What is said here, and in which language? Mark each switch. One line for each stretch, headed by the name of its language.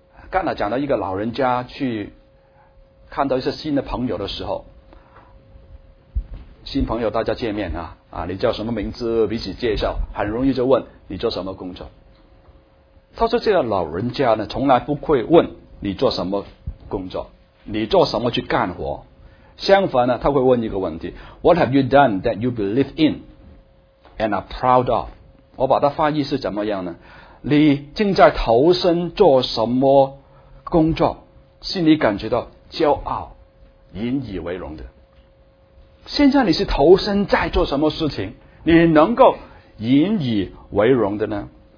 Chinese: 刚才讲到一个老人家去看到一些新的朋友的时候，新朋友大家见面你叫什么名字，彼此介绍，很容易就问你做什么工作。他说这个老人家呢，从来不会问你做什么工作，你做什么去干活，相反呢，他会问一个问题
English: What have you done that you believe in and are proud of？
Chinese: 我把它翻译是怎么样呢？你正在投身做什么工作，心里感觉到骄傲引以为荣的。现在你是投身在做什么事情，你能够引以为荣的呢？